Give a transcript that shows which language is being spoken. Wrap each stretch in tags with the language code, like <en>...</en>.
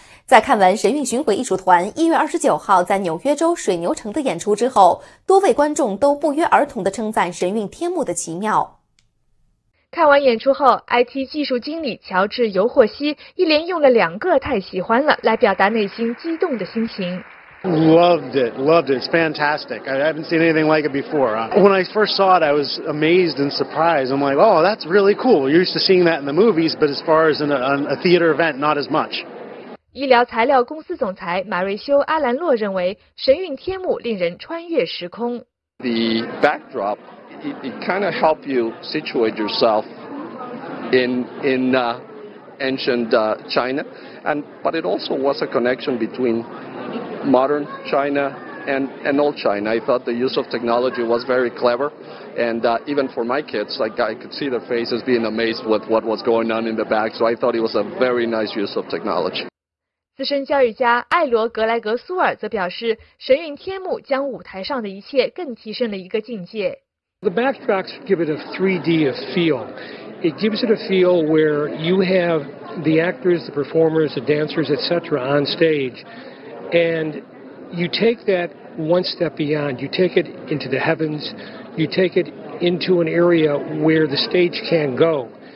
<zh>在看完神韵巡回艺术团1月29号在纽约州水牛城的演出之后，多位观众都不约而同地称赞神韵天幕的奇妙。看完演出后， IT 技术经理乔治·尤霍西一连用了两个太喜欢了来表达内心激动的心情。</zh> <en>Loved it. It's fantastic. I haven't seen anything like it before. When I first saw it, I was amazed and surprised. I'm like, oh, that's really cool. You're used to seeing that in the movies, but as far as a theater event, not as much.</en> <zh>医疗材料公司总裁马瑞修·阿兰洛认为，神韵天幕令人穿越时空。</zh> <en>The backdrop, it kind of help you situate yourself in ancient China, but it also was a connection between modern China and old China. I thought the use of technology was very clever, and even for my kids, like I could see their faces being amazed with what was going on in the back. So I thought it was a very nice use of technology.</en> <zh>资深教育家艾罗·格莱格·苏尔则表示，神韵天幕将舞台上的一切更提升了一个境界。</zh> <en>The backdrops give it a 3D feel. It gives it a feel where you have the actors, the performers, the dancers, etc. on stage. And you take that one step beyond. You take it into the heavens. You take it into an area where the stage can go.</en>